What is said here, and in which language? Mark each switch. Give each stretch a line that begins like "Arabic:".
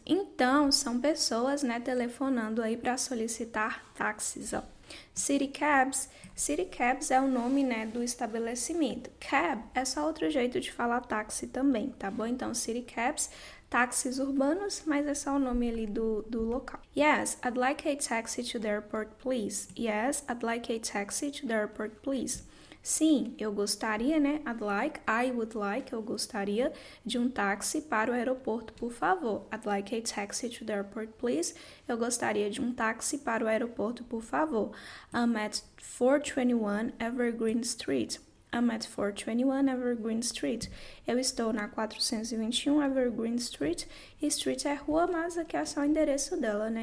Portuguese: Então, são pessoas, né, telefonando aí para solicitar táxis, ó. City cabs. City cabs é o nome, né, do estabelecimento. Cab é só outro jeito de falar táxi também, tá bom? Então, city cabs, táxis urbanos, mas é só o nome ali do local.
English: Yes, I'd like a taxi to the airport, please. Yes, I'd like a taxi to the airport, please.
Portuguese: Sim, eu gostaria, né?
English: I'd like, I would like,
Portuguese: eu gostaria de um táxi para o aeroporto, por favor.
English: I'd like a taxi to the airport, please.
Portuguese: Eu gostaria de um táxi para o aeroporto, por favor.
English: I'm at 421 Evergreen Street. I'm at 421 Evergreen Street.
Portuguese: Eu estou na 421 Evergreen Street. Street é rua, mas aqui é só o endereço dela, né?